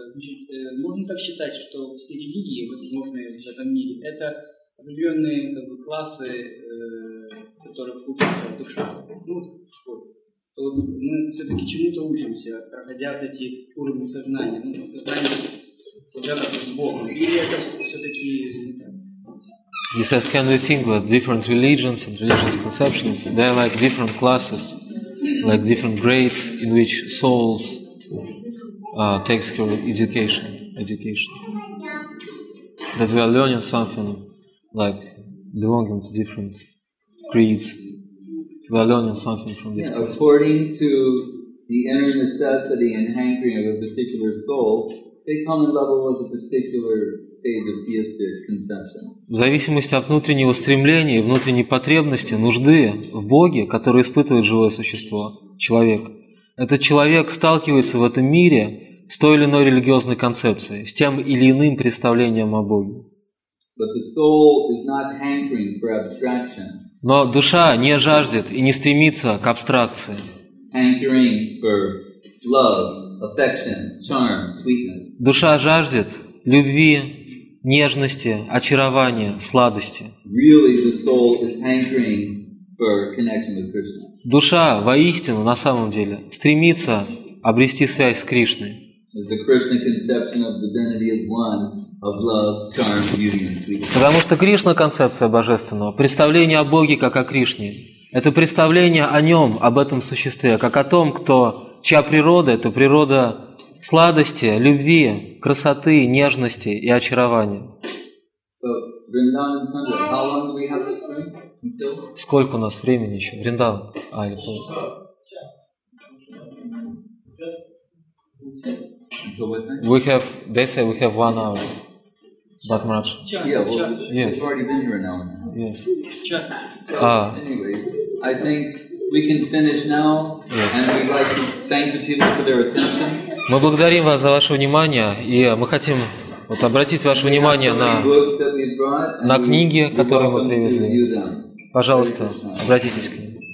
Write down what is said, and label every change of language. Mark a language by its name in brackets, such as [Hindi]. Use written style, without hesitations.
[Russian] Значит, можно так считать, что все религии, возможные в этом мире, это определенные классы, которых учатся в душе. То мы все-таки чему-то учимся, проходя эти уровни сознания, сознание связано с Богом. Или это все-таки не так? [English] He says, can we think that different religions and religious conceptions, they're like different classes, like different grades in which souls takes her education. That we are learning something like belonging to different creeds. According to the inner necessity and hankering of a particular soul, they come and level with a particular stage of theistic conception. [Russian] В зависимости от внутреннего стремления, внутренней потребности, нужды в Боге, которую испытывает живое существо, человек, этот человек сталкивается в этом мире с той или иной религиозной концепцией, с тем или иным представлением о Боге. [English] But the soul is not hankering for abstraction. [Russian] Но душа не жаждет и не стремится к абстракции. [English] Hankering for love, affection, charm, sweetness. [Russian] Душа жаждет любви, нежности, очарования, сладости. [English] Really, the soul is hankering for connection with Krishna. [Russian] Душа воистину, на самом деле, стремится обрести связь с Кришной. [English] The Krishna conception of divinity is one of love, charm, beauty, and sweetness. [Russian] Потому что Кришна концепция божественного, представление о Боге как о Кришне, это представление о Нем, об этом существе, как о том, кто чья природа, это природа сладости, любви, красоты, нежности и очарования. [English] So, Vrindavan Chandra, how long do we have this time until? [Russian] Сколько у нас времени еще? Вриндаван. А, или полчаса. Час. [English] Until what time? We have, they say we have 1 hour. But much. [Russian] Час. [English] Yeah, well, yes. We've already been here an hour now. Yes. [Russian] Час. [English] So, anyway, I think we can finish now. Yes. And we'd like to thank the people for their attention. [Russian] Мы благодарим вас за ваше внимание, и мы хотим вот обратить ваше внимание на книги, которые мы привезли. Пожалуйста, обратитесь к ним.